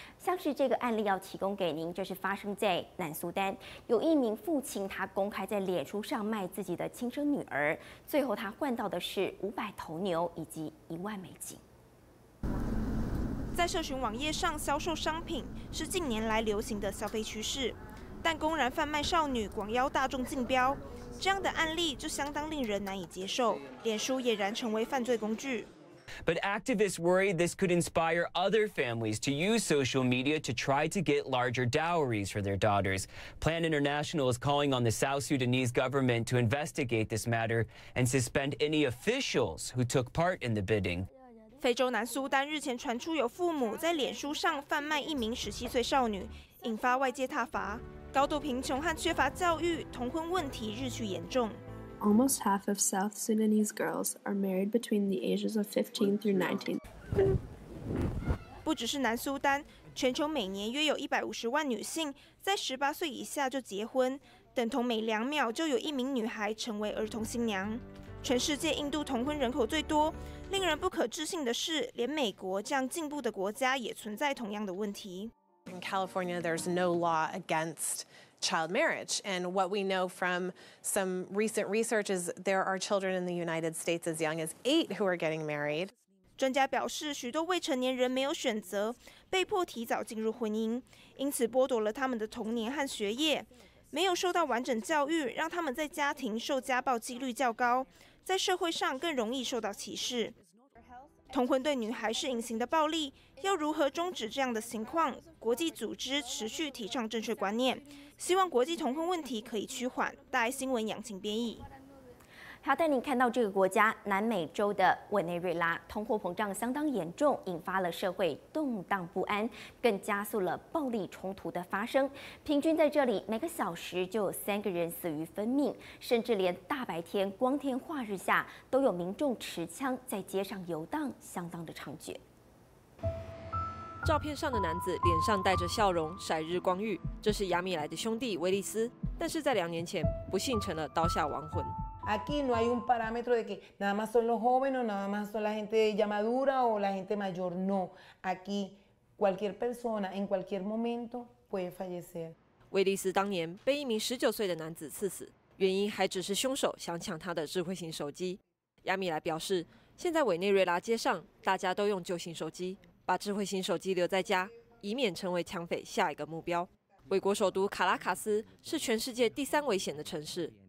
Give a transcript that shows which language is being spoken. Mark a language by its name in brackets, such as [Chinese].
[Chinese] 像是这个案例要提供给您，这是发生在南苏丹，有一名父亲，他公开在脸书上卖自己的亲生女儿，最后他换到的是500头牛以及10000美金。在社群网页上销售商品是近年来流行的消费趋势，但公然贩卖少女，广邀大众竞标，这样的案例就相当令人难以接受。脸书俨然成为犯罪工具。 [English] But activists worry this could inspire other families to use social media to try to get larger dowries for their daughters. Plan International is calling on the South Sudanese government to investigate this matter and suspend any officials who took part in the bidding. [Chinese] 非洲南苏丹日前传出有父母在脸书上贩卖一名17岁少女，引发外界挞伐。高度贫穷和缺乏教育，童婚问题日趋严重。 [English] Almost half of South Sudanese girls are married between the ages of 15 through 19. [Chinese] 不只是南苏丹，全球每年约有150万女性在18岁以下就结婚，等同每两秒就有一名女孩成为儿童新娘。全世界印度童婚人口最多，令人不可置信的是，连美国这样进步的国家也存在同样的问题。 [English] In California, there's no law against child marriage, and what we know from some recent research is there are children in the United States as young as 8 who are getting married. [Chinese] 专家表示，许多未成年人没有选择，被迫提早进入婚姻，因此剥夺了他们的童年和学业。没有受到完整教育，让他们在家庭受家暴几率较高，在社会上更容易受到歧视。同婚对女孩是隐形的暴力，要如何终止这样的情况？国际组织持续提倡正确观念，希望国际同婚问题可以趋缓。大爱新闻杨晴编译。还要带您看到这个国家，南美洲的委内瑞拉，通货膨胀相当严重，引发了社会动荡不安，更加速了暴力冲突的发生。平均在这里每个小时就有三个人死于分命，甚至连大白天光天化日下都有民众持枪在街上游荡，相当的猖獗。照片上的男子脸上带着笑容，晒日光浴，这是亚米莱的兄弟威利斯，但是在2年前不幸成了刀下亡魂。 [Spanish] Aquí no hay un parámetro de que nada más son los jóvenes, nada más son la gente ya madura o la gente mayor. No, aquí cualquier persona en cualquier momento puede fallecer. [Chinese] 威利斯当年被一名19岁的男子刺死，原因还只是凶手想抢他的智慧型手机。亚米莱表示，现在委内瑞拉街上大家都用旧型手机，把智慧型手机留在家，以免成为抢匪下一个目标。美国首都卡拉卡斯是全世界第3危险的城市。